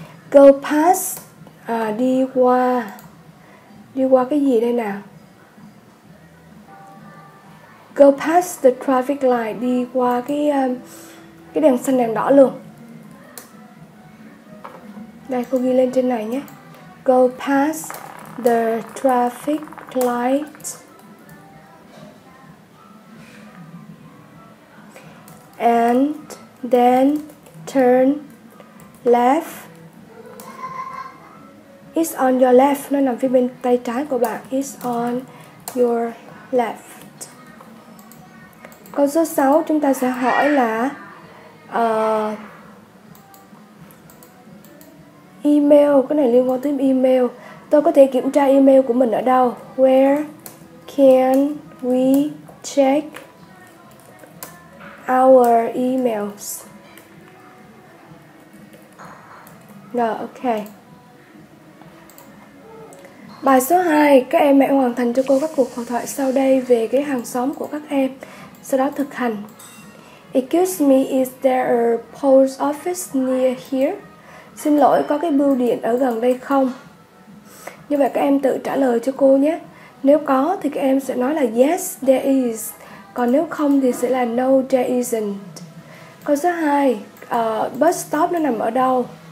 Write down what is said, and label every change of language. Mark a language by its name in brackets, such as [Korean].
[English] Go past, [Vietnamese] đi qua cái gì đây nào? [English] Go past the traffic light, [Vietnamese] đi qua cái đèn xanh đèn đỏ luôn. Đây, cô ghi lên trên này nhé. [English] Go past the traffic light and then turn left. It's on your left. [Vietnamese] Nó nằm phía bên tay trái của bạn. [English] It's on your left. [Vietnamese] Câu số 6, chúng ta sẽ hỏi là email, cái này liên quan tới email. Tôi có thể kiểm tra email của mình ở đâu? [English] Where can we check our emails? [Vietnamese] Rồi, ok. Bài số 2, các em hãy hoàn thành cho cô các cuộc hội thoại sau đây về cái hàng xóm của các em. Sau đó thực hành. [English] Excuse me, is there a post office near here? [Vietnamese] Xin lỗi, có cái bưu điện ở gần đây không? Như vậy các em tự trả lời cho cô nhé. Nếu có thì các em sẽ nói là [English] yes, there is. [Vietnamese] Còn nếu không thì sẽ là [English] no, there isn't. [Vietnamese] Câu số 2, bus stop nó nằm ở đâu?